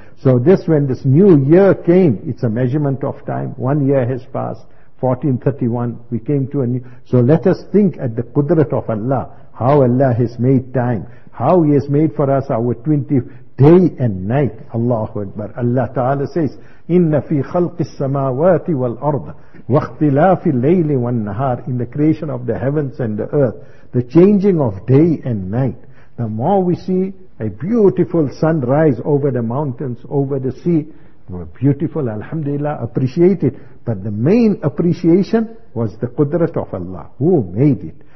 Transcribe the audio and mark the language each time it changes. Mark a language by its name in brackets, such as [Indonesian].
[English] So this, when this new year came, it's a measurement of time. 1 year has passed, 1431, we came to a new, so let us think at the qudrat of Allah, how Allah has made time, how He has made for us our 20, day and night. Allahu Akbar. Allah Ta'ala says, [Arabic] إِنَّ فِي خَلْقِ السَّمَاوَاتِ وَالْأَرْضِ وَاخْتِلَافِ اللَّيْلِ وَالنَّهَارِ. [English] In the creation of the heavens and the earth, the changing of day and night. The more we see a beautiful sunrise over the mountains, over the sea, beautiful, alhamdulillah, appreciate it. But the main appreciation was the qudrat of Allah. Who made it?